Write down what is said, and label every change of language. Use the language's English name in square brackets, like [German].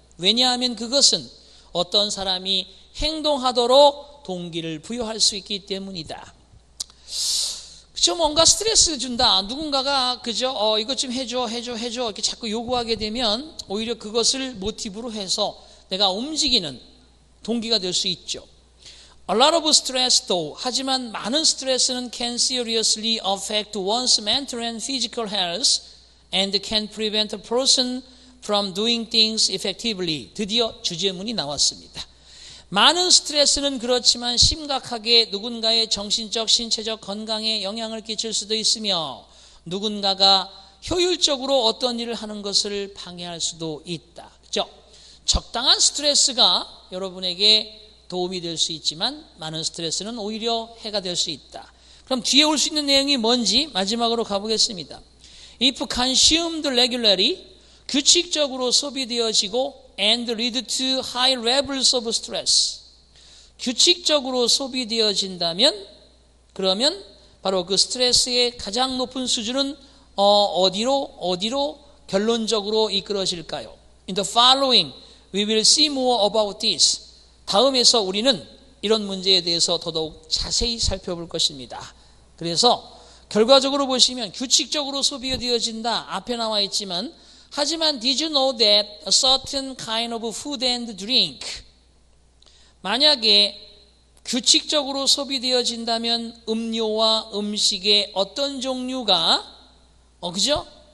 [Korean] 왜냐하면 그것은 어떤 사람이 행동하도록 동기를 부여할 수 있기 때문이다. 그쵸, 뭔가 스트레스 준다. 누군가가, 그죠, 이것 좀 해줘. 이렇게 자꾸 요구하게 되면 오히려 그것을 모티브로 해서 내가 움직이는 동기가 될 수 있죠. [English] A lot of stress though. 하지만 많은 스트레스는 can seriously affect one's mental and physical health and can prevent a person from doing things effectively. [Korean] 드디어 주제문이 나왔습니다. 많은 스트레스는 그렇지만 심각하게 누군가의 정신적, 신체적 건강에 영향을 끼칠 수도 있으며 누군가가 효율적으로 어떤 일을 하는 것을 방해할 수도 있다. 그죠? 적당한 스트레스가 여러분에게 도움이 될 수 있지만 많은 스트레스는 오히려 해가 될 수 있다. 그럼 뒤에 올 수 있는 내용이 뭔지 마지막으로 가보겠습니다. If consumed regularly, 규칙적으로 소비되어지고 and lead to high levels of stress. 규칙적으로 소비되어진다면 그러면 바로 그 스트레스의 가장 높은 수준은 어디로 결론적으로 이끌어질까요? [English] In the following, we will see more about this. [Korean] 다음에서 우리는 이런 문제에 대해서 더더욱 자세히 살펴볼 것입니다. 그래서 결과적으로 보시면 규칙적으로 소비되어진다 앞에 나와 있지만 하지만 did you know that a certain kind of food and drink 만약에 규칙적으로 소비되어진다면 음료와 음식의 어떤 종류가 그죠?